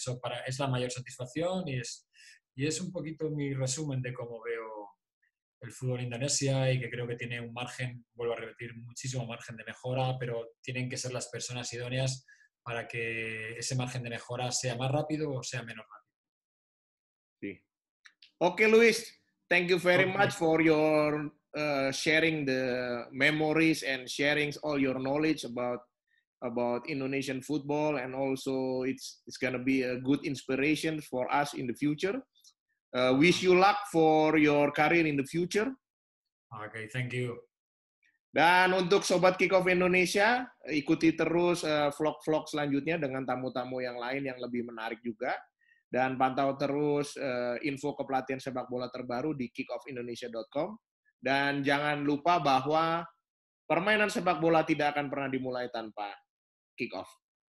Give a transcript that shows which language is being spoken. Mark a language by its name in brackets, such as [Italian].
[Spanish] Eso es la mayor satisfacción y es un poquito mi resumen de cómo veo el fútbol en Indonesia y que creo que tiene un margen, vuelvo a repetir, muchísimo margen de mejora, pero tienen que ser las personas idóneas para que ese margen de mejora sea más rápido o sea menos rápido. Sí. [English] Okay, Luis. Thank you very much for your sharing the memories and sharing all your knowledge about Indonesian football, and also it's going to be a good inspiration for us in the future. Wish you luck for your career in the future. Okay, thank you. [Indonesian] Dan untuk Sobat Kickoff Indonesia, ikuti terus vlog-vlog selanjutnya dengan tamu-tamu yang lain yang lebih menarik juga. Dan pantau terus info kepelatihan sepak bola terbaru di kickoffindonesia.com. Dan jangan lupa bahwa permainan sepak bola tidak akan pernah dimulai tanpa kickoff.